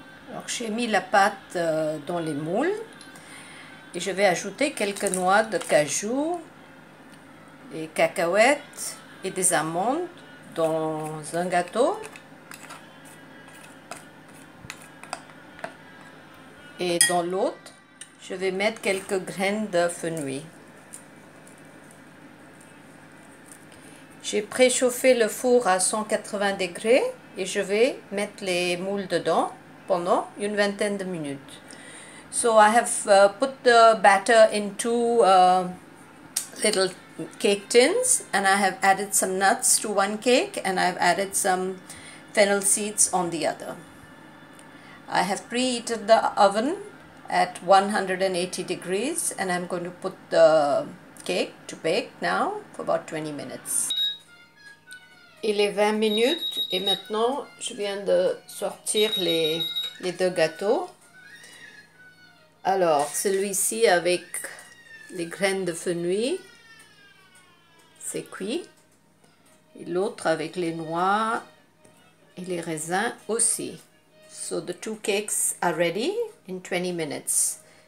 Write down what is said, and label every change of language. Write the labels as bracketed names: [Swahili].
[French] Alors j'ai mis la pâte dans les moules et je vais ajouter quelques noix de cajou, des cacahuètes et des amandes dans un gâteau et dans l'autre je vais mettre quelques graines de fenouil. J'ai préchauffé le four à 180 degrés et je vais mettre les moules dedans pendant une vingtaine de minutes. [English] So I have put the batter into little cake tins and I have added some nuts to one cake and I have added some fennel seeds on the other. I have preheated the oven at 180 degrees and I'm going to put the cake to bake now for about 20 minutes. [French] Il est 20 minutes et maintenant je viens de sortir les deux gâteaux. Alors celui-ci avec les graines de fenouil, c'est cuit. Et l'autre avec les noix et les raisins aussi. [English] So the two cakes are ready in 20 minutes.